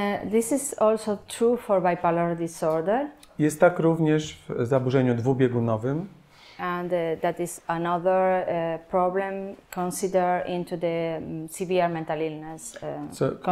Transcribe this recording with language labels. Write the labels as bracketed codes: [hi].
[en] This is also true for bipolar disorder. [pl] Jest tak również w zaburzeniu dwubiegunowym. [en] And that is another problem considered into the severe mental illness concept.